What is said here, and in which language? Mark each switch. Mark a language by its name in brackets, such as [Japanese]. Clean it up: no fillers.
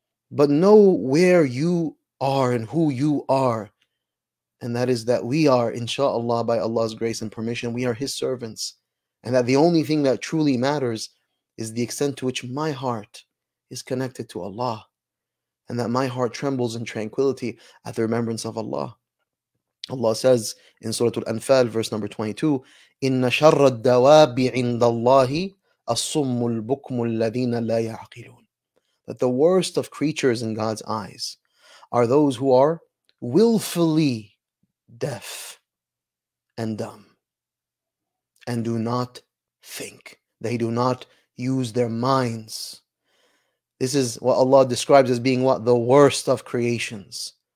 [English] But know where you are and who you are. And that is that we are, inshallah, by Allah's grace and permission, we are His servants. And that the only thing that truly matters is the extent to which my heart is connected to Allah. And that my heart trembles in tranquility at the remembrance of Allah. Allah says in Surah Al-Anfal, verse number 22, [Arabic] إِنَّ شَرَّ الدَّوَابِ عِنْدَ اللَّهِ أَصُمُّ الْبُكْمُ الَّذِينَ لَا يَعْقِلُونَ. [English] That the worst of creatures in God's eyes are those who are willfully deaf and dumb and do not think. They do not use their minds. This is what Allah describes as being what? The worst of creations.